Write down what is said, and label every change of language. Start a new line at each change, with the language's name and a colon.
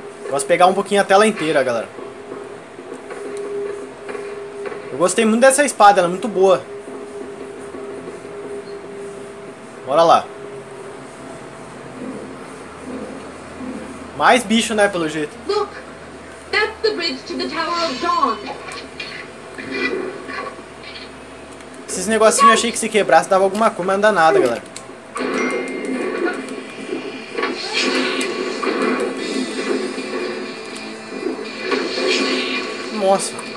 Portuguese: Posso pegar um pouquinho a tela inteira, galera. Eu gostei muito dessa espada, ela é muito boa. Bora lá. Mais bicho, né, pelo jeito.
English: Look, that's the bridge to the Tower of Dawn.
Portuguese: Esses negocinhos eu achei que se quebrasse dava alguma coisa, mas não dá nada, galera. Nossa.